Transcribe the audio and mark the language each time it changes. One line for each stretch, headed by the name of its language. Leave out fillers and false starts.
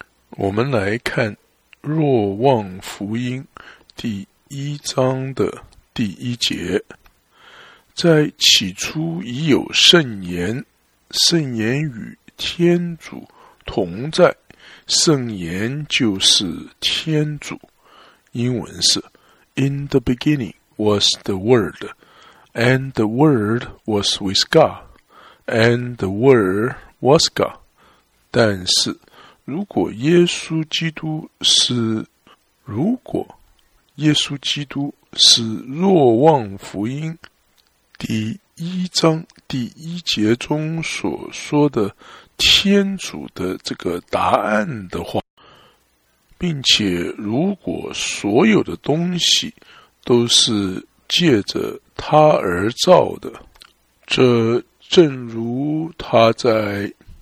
Chinese: 我们来看若望福音第一章的第一节，在起初已有圣言，圣言与天主同在，圣言就是天主。英文是
English: In the beginning was the Word, and the Word was with God, and the Word was God.
Chinese: 但是如果耶稣基督是若望福音第一章第一节中所说的天主的这个答案的话，并且如果所有的东西都是借着他而造的，这正如他在